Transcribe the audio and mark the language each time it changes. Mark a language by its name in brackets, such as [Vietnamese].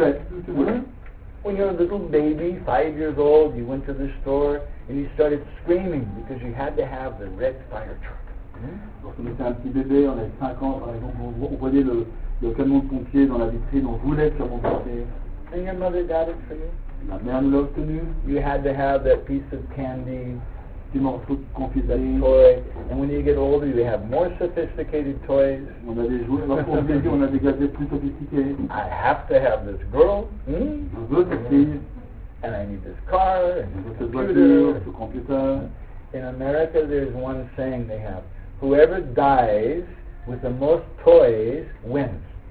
[English] When you're a little baby, 5 years old, you went to the store and you started screaming because you had to have the red fire truck. [French] Lorsqu'on était un petit bébé, on avait 5 ans, par exemple, on voyait le camion de pompier dans la vitrine, on voulait le camion de pompier. [English] And your mother got it for you. [French] Ma mère l'a obtenu. [English] You had to have that piece of candy. [French] Petit morceau de confiserie. [English] And when you get older, you have more sophisticated toys. [French] On a des jouets, lorsqu'on vieillit, on a des gadgets plus sophistiqués. [English] I have to have this girl. [French] Je veux cette fille. [English] And I need this car. [French] Je veux cette voiture, ce computer. [English] In America, there's one saying they have. Whoever dies with the most toys wins.